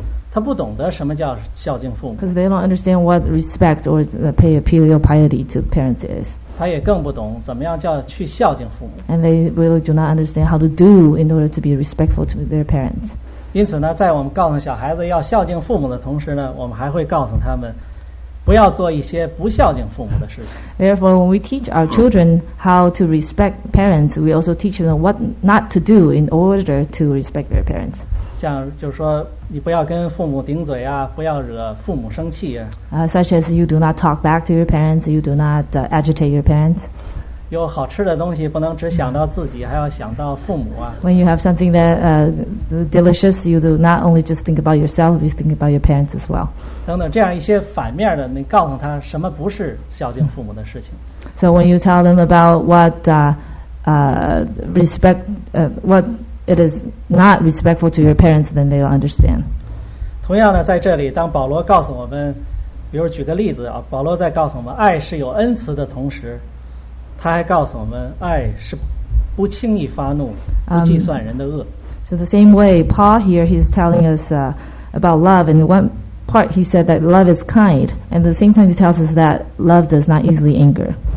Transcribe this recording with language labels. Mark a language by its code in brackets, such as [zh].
[zh] 他不懂得什么叫孝敬父母。 [en] Because they don't understand what respect or pay a filial piety to parents is. [zh] 他也更不懂怎么样叫去孝敬父母。 [en] And they really do not understand how to do in order to be respectful to their parents. [zh] 因此呢在我们告诉小孩子要孝敬父母的同时呢我们还会告诉他们不要做一些不孝敬父母的事情。 [en] Therefore, when we teach our children how to respect parents, we also teach them what not to do in order to respect their parents. [zh] 像就是说你不要跟父母顶嘴啊不要惹父母生气啊。 [en] Such as you do not talk back to your parents, you do not agitate your parents. [zh] 有好吃的东西不能只想到自己还要想到父母啊。 [en] When you have something that delicious, you do not only just think about yourself, you think about your parents as well. [zh] 等等这样一些反面的你告诉他什么不是孝敬父母的事情。 [en] So when you tell them about what what it is not respectful to your parents, then they will understand. [zh] 同样呢在这里当保罗告诉我们比如举个例子啊保罗在告诉我们爱是有恩慈的同时他还告诉我们爱是不轻易发怒，不计算人的恶。 [en] So the same way, Paul here he's telling us about love. In one part, he said that love is kind, and at the same time, he tells us that love does not easily anger.